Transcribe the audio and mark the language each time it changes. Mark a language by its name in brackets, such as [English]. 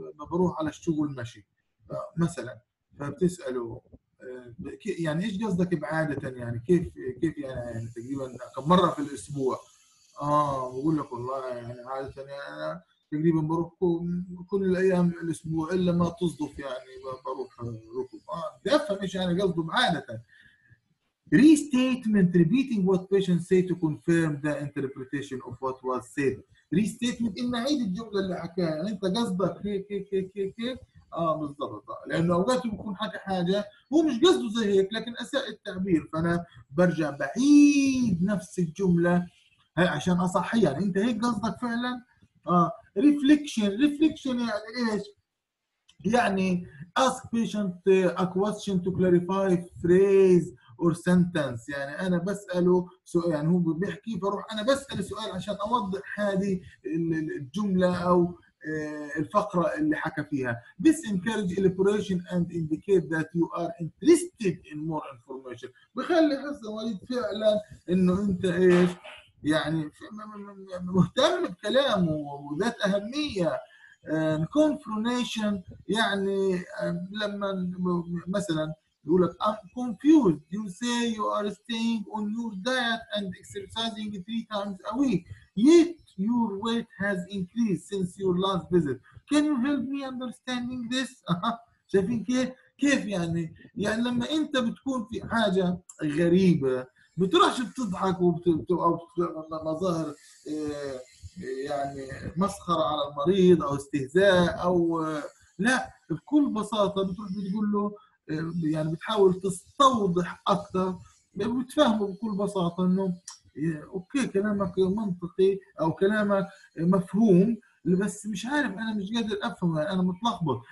[Arabic] بروح على الشغل مشي مثلا، فبتساله يعني ايش قصدك بعاده يعني كيف يعني تقريبا كم مره في الاسبوع؟ بقول لك والله يعني عادة يعني أنا تقريبا بروح كل الأيام الأسبوع إلا ما تصدف يعني بروح ركوب. بفهم إيش يعني قصده بعادة. [English] Restatement repeating what patient said to confirm the interpretation of what was said. [Arabic] Restatement إن عيد الجملة اللي حكاها، يعني أنت قصدك هيك هيك هيك هيك بالضبط، لأنه أوقات بيكون حكى حاجة هو مش قصده زي هيك لكن أساء التعبير، فأنا برجع بعيد نفس الجملة هاي عشان اصحيها. يعني انت هيك قصدك فعلا؟ reflection يعني ايش؟ يعني [English] ask patient a question to clarify phrase or sentence، [Arabic] يعني انا بساله سؤال، يعني هو بيحكي بروح انا بسال سؤال عشان اوضح هذه الجمله او الفقره اللي حكى فيها. [English] This encourage elaboration and indicate that you are interested in more information، [Arabic] بخلي حس المريض فعلا انه انت ايش يعني مهتم بكلامه وذات أهمية. [English] confrontation [Arabic] يعني لما مثلا يقول لك [English] I'm confused you say you are staying on your diet and exercising 3 times a week yet your weight has increased since your last visit can you help me understanding this. [Arabic] شايفين كيف يعني لما انت بتكون في حاجة غريبة بتروحش بتضحك وبتعمل مظاهر يعني مسخرة على المريض أو استهزاء أو لا، بكل بساطة بتروح بتقول له يعني بتحاول تستوضح أكثر، بتفهمه بكل بساطة إنه أوكي كلامك منطقي أو كلامك مفهوم بس مش عارف أنا مش قادر أفهمه أنا متلخبط.